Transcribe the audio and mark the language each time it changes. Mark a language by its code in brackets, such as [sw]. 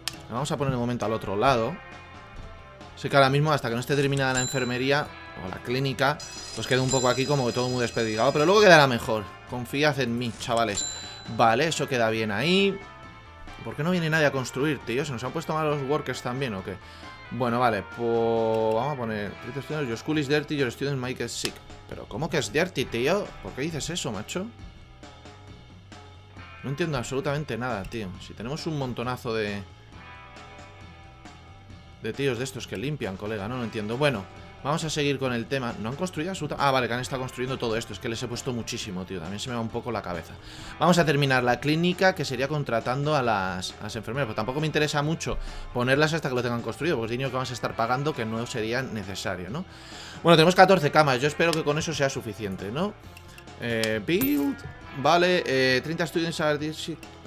[es] Vamos a poner de momento al otro lado. Sé que ahora mismo, hasta que no esté terminada la enfermería o la clínica, pues queda un poco aquí como que todo muy despedigado. Pero luego quedará mejor. Confiad en mí, chavales. Vale, eso queda bien ahí. ¿Por qué no viene nadie a construir, tío? ¿Se nos han puesto mal los workers también o qué? Bueno, vale, pues vamos a poner. [en] Your school is dirty, your student Mike is sick. [es] ¿Pero cómo que es dirty, tío? ¿Por qué dices eso, macho? No entiendo absolutamente nada, tío. Si tenemos un montonazo de... de tíos de estos que limpian, colega, no lo entiendo. Bueno, vamos a seguir con el tema. ¿No han construido absolutamente...? Ah, vale, que han estado construyendo todo esto. Es que les he puesto muchísimo, tío. También se me va un poco la cabeza. Vamos a terminar la clínica, que sería contratando a las enfermeras. Pero tampoco me interesa mucho ponerlas hasta que lo tengan construido, porque es dinero que vamos a estar pagando que no sería necesario, ¿no? Bueno, tenemos 14 camas. Yo espero que con eso sea suficiente, ¿no? [en] Build. Vale, 30 students are dirty.